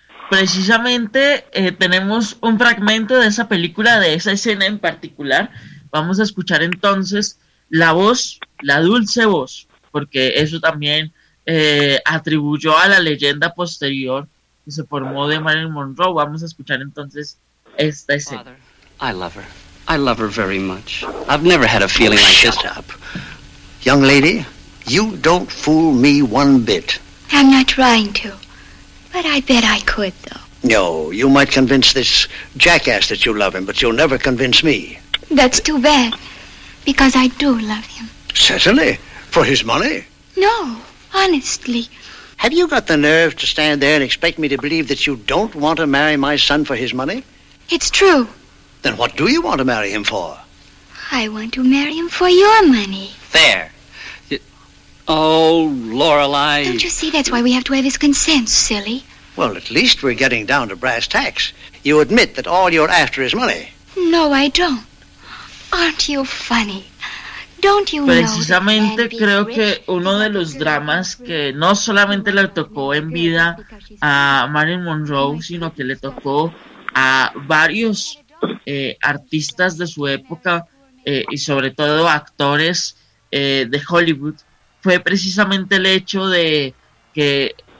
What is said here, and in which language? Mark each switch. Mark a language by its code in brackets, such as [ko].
[es] Precisamente tenemos un fragmento de esa película, de esa escena en particular. Vamos a escuchar entonces la voz, la dulce voz, porque eso también atribuyó a la leyenda posterior que se formó de Marilyn Monroe. Vamos a escuchar entonces esta escena. [en] Father, I love her. I love her very much. I've never had a feeling like this. Shut up. Young lady, you don't fool me one bit. I'm not trying to, but I bet I could, though. No, you might convince this jackass that you love him, but you'll never convince me. That's too bad, because I do love him. Certainly, for his money. No, honestly. Have you got the nerve to stand there and expect me to believe that you don't want to marry my son for his money? It's true. Then what do you want to marry him for? I want to marry him for your money. There. Oh, Lorelei. Don't you see that's why we have to have his consent, silly? Well, at least we're getting down to brass tacks. You admit that all you're after is money. No, I don't. Aren't you funny? Don't you [es] precisamente know creo que uno de los dramas que no solamente le tocó en vida a Marilyn Monroe, sino que le tocó a varios artistas de su época y sobre todo actores de Hollywood, fue precisamente el hecho de que